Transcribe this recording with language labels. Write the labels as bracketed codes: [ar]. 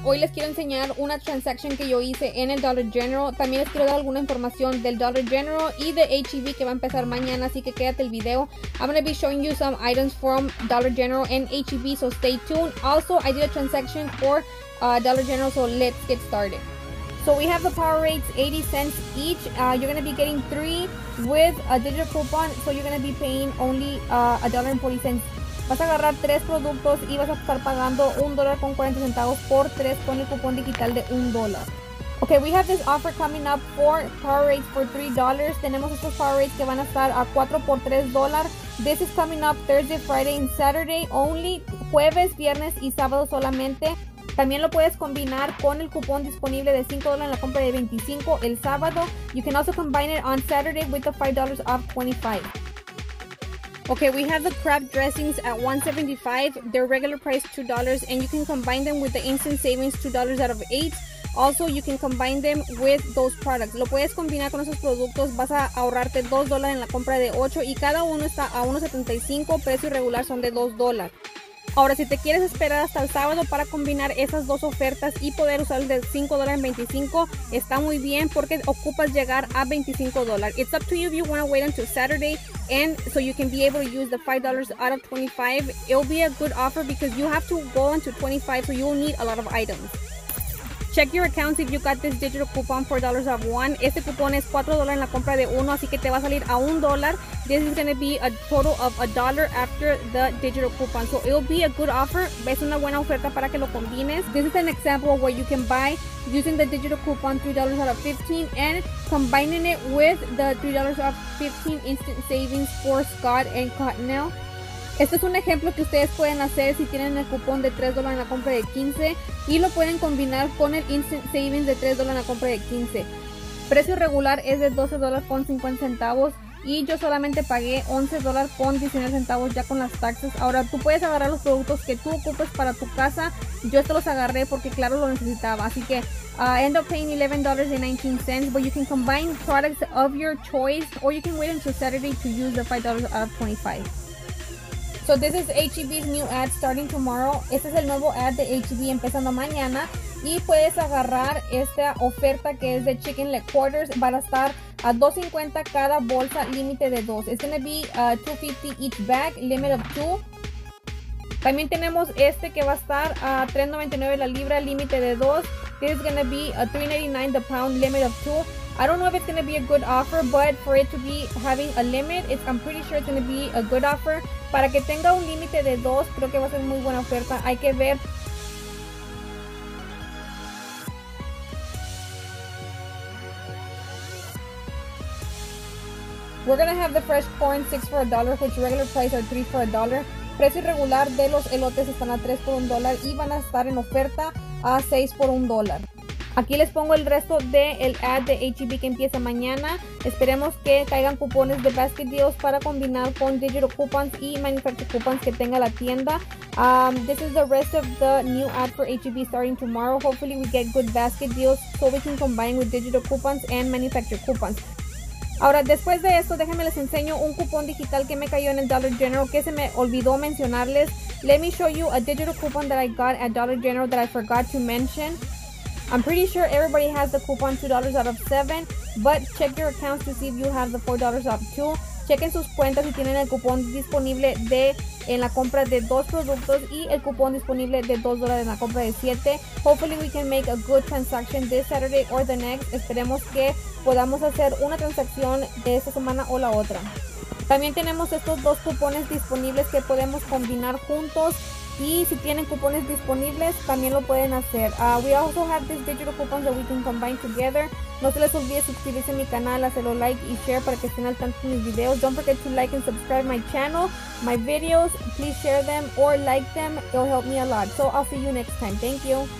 [es] Hoy les quiero enseñar una transaction que yo hice en el Dollar General. También les quiero dar alguna información del Dollar General y de HEB que va a empezar mañana, así que quédate el video. [en] I'm going to be showing you some items from Dollar General and HEB, so stay tuned. Also, I did a transaction for Dollar General, so let's get started. So we have the power rates, 80 cents each. You're going to be getting three with a digital coupon, so you're going to be paying only $1.40. [es] Vas a agarrar tres productos y vas a estar pagando $1.40 por tres con el cupón digital de $1. [en] Ok, we have this offer coming up for power rates for $3. [es] Tenemos estos power rates que van a estar a 4 por $3. [en] This is coming up Thursday, Friday and Saturday only. [es] Jueves, viernes y sábado solamente. También lo puedes combinar con el cupón disponible de $5 en la compra de $25 el sábado. [en] You can also combine it on Saturday with the $5 off $25. Okay, we have the crab dressings at $1.75. They're regular price $2, and you can combine them with the instant savings $2 out of 8. Also, you can combine them with those products. [es] Lo puedes combinar con esos productos, vas a ahorrarte $2 en la compra de 8, y cada uno está a $1.75, precio regular son de $2. Ahora, si te quieres esperar hasta el sábado para combinar esas dos ofertas y poder usar el de $5.25, está muy bien porque ocupas llegar a $25. [en] It's up to you if you want to wait until Saturday and so you can be able to use the $5 out of $25. It'll be a good offer because you have to go into $25, so you'll need a lot of items. Check your accounts if you got this digital coupon for dollars of one. [es] Este cupón es $4 en la compra de uno, así que te va a salir a $1. [en] This is going to be a total of $1 after the digital coupon. So it'll be a good offer. [es] Es una buena oferta para que lo combines. [en] This is an example of where you can buy using the digital coupon $3 out of 15 and combining it with the $3 out of 15 instant savings for Scott and Cottonelle. [es] Este es un ejemplo que ustedes pueden hacer si tienen el cupón de $3 en la compra de 15 y lo pueden combinar con el instant savings de $3 en la compra de 15. Precio regular es de $12.50 y yo solamente pagué $11.19 ya con las taxes. Ahora tú puedes agarrar los productos que tú ocupes para tu casa. Yo estos los agarré porque claro lo necesitaba, así que [en] end up paying $11.19, but you can combine products of your choice or you can wait until Saturday to use the $5 out of 25. So this is HEB's new ad starting tomorrow. [es] Este es el nuevo ad de HEB empezando mañana. Y puedes agarrar esta oferta que es de Chicken Leg Quarters. Van a estar a $2.50 cada bolsa, límite de dos. [en] It's going to be $2.50 each bag, limit of two. [es] También tenemos este que va a estar a $3.99 la libra, límite de dos. [en] This is going to be $3.99 the pound, limit of two. I don't know if it's going to be a good offer, but for it to be having a limit, I'm pretty sure it's going to be a good offer. [es] Para que tenga un límite de dos, creo que va a ser muy buena oferta. Hay que ver. [en] We're going to have the fresh corn, $6 for $1, which regular price are $3 for $1. [es] Precio regular de los elotes están a $3 por $1 y van a estar en oferta a $6 por $1. Aquí les pongo el resto del ad de HEB que empieza mañana. Esperemos que caigan cupones de basket deals para combinar con digital coupons y manufacturer coupons que tenga la tienda. [en] This is the rest of the new ad for HEB starting tomorrow. Hopefully we get good basket deals so we can combine with digital coupons and manufacturer coupons. [es] Ahora, después de esto, déjenme les enseño un cupón digital que me cayó en el Dollar General que se me olvidó mencionarles. [en] Let me show you a digital coupon that I got at Dollar General that I forgot to mention. I'm pretty sure everybody has the coupon $2 out of 7, but check your accounts to see if you have the $4 off 2. [es] Chequen sus cuentas si tienen el cupón disponible de en la compra de dos productos y el cupón disponible de $2 en la compra de 7. [en] Hopefully we can make a good transaction this Saturday or the next. [es] Esperemos que podamos hacer una transacción de esta semana o la otra. También tenemos estos dos cupones disponibles que podemos combinar juntos. Y si tienen cupones disponibles, también lo pueden hacer. [en] We also have these digital coupons that we can combine together. [es] No se les olvide suscribirse a mi canal, hacerlo like y share para que estén al tanto de mis videos. [en] Don't forget to like and subscribe my channel, my videos. Please share them or like them. It'll help me a lot. So I'll see you next time. Thank you.